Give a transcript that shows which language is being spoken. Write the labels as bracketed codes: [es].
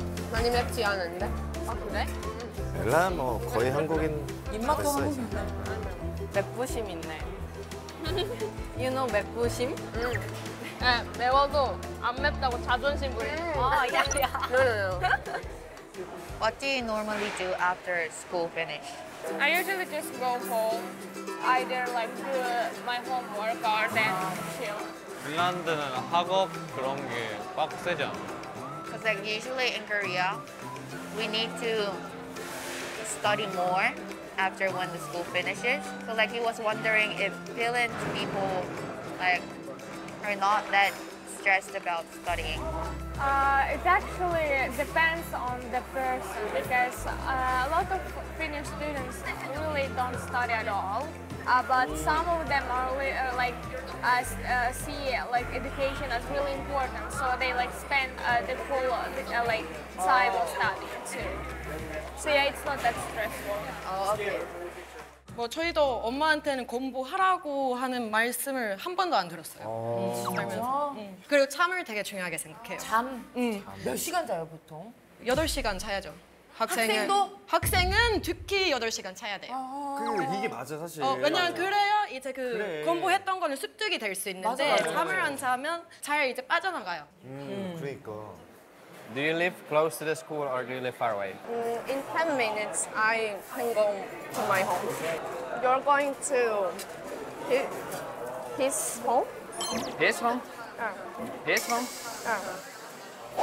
[ko] 많이 맵지 않은데? 아, 그래? 엘라 뭐 거의 한국인 입맛도 한국인데 맵부심 있네. [en] You know 맵부심? [ko] 네, 매워도 안 맵다고 자존심 부리고. 아, 야, 야. [en] No, no, no. What do you normally do after school finish? I usually just go home. Either like do my homework or then chill. [ko] 핀란드는 학업 그런 게 빡세지 않아요? [en] Because like usually in Korea, we need to study more after when the school finishes. So like he was wondering if Finland people like are not that stressed about studying. It actually depends on the person because a lot of Finnish students really don't study at all. But some of them are like see like education as really important, so they like spend the full like time of studying too. So yeah, it's not that stressful. Oh, okay. [ko] 뭐 저희도 엄마한테는 공부하라고 하는 말씀을 한 번도 안 들었어요. 진짜요? 그리고 잠을 되게 중요하게 생각해요. 잠? 몇 시간 자요, 보통? 8시간 자야죠. 학생도? 학생은 특히 8시간 자야 돼요. 이게 맞아, 사실. 왜냐면 그래야 이제 그 공부했던 거는 습득이 될 수 있는데 잠을 안 자면 잘 이제 빠져나가요. 그러니까. [en] Do you live close to the school or do you live far away? In 10 minutes, I can go to my home. You're going to his home? His home? Yeah. His home? Yeah.